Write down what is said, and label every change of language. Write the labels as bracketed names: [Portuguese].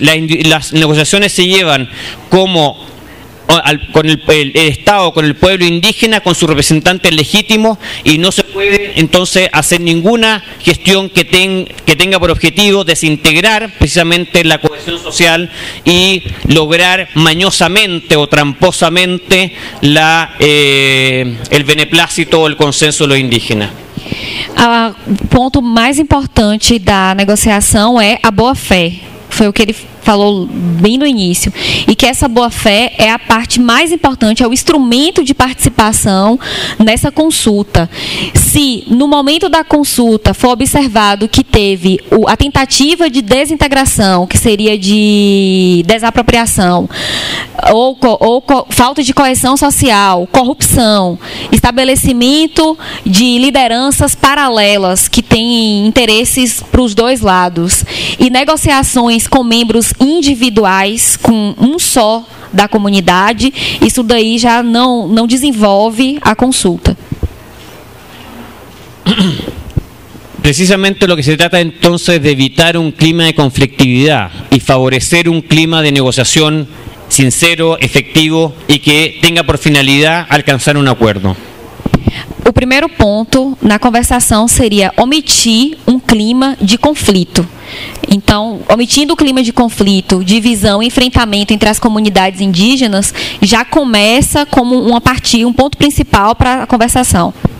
[Spanish] Las negociaciones se llevan como con el Estado, con el pueblo indígena, con sus representantes legítimos y no se puede entonces hacer ninguna gestión que tenga por objetivo desintegrar precisamente la cohesión social y lograr mañosamente o tramposamente el beneplácito o el consenso de los indígenas. [Portuguese] O ponto mais importante da negociação é a boa fé. Foi o que ele falou bem no início, e que essa boa-fé é a parte mais importante, é o instrumento de participação nessa consulta. Se no momento da consulta for observado que teve a tentativa de desintegração, que seria de desapropriação, ou falta de coerção social, corrupção, estabelecimento de lideranças paralelas que têm interesses para os dois lados, e negociações com membros individuais, com um só da comunidade, isso daí já não desenvolve a consulta. [Spanish] Precisamente lo que se trata entonces de evitar un clima de conflictividad y favorecer un clima de negociación sincero, efectivo y que tenga por finalidad alcanzar un acuerdo. [Portuguese] O primeiro ponto na conversação seria omitir um clima de conflito. Então, omitindo o clima de conflito, divisão e enfrentamento entre as comunidades indígenas, já começa como uma partida, um ponto principal para a conversação.